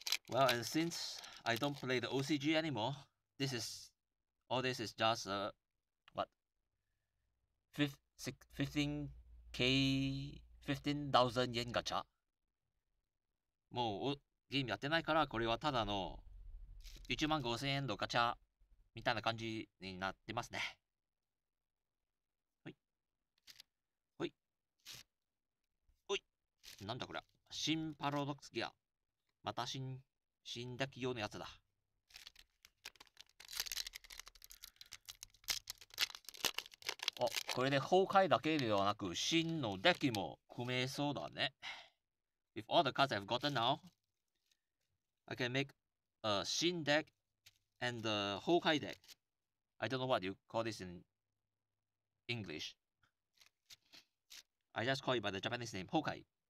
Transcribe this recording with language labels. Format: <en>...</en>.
<en>Well, and since I don't play the OCG anymore, this is just a, what, 15,000 yen gacha.</en> <ja>もうゲームやってないから、これはただの15,000円のガチャみたいな感じになってますね。はい。はい。はい。なんだこれ、新パラドックスギア。また新濁用のやつだ。お、これで崩壊だけではなく、真のデッキも組めそうだね。</ja> <en>If all the cards have gotten now, I can make a 新 deck and a 崩壊 deck. I don't know what you call this in English. I just call it by the Japanese name, 崩壊。</en>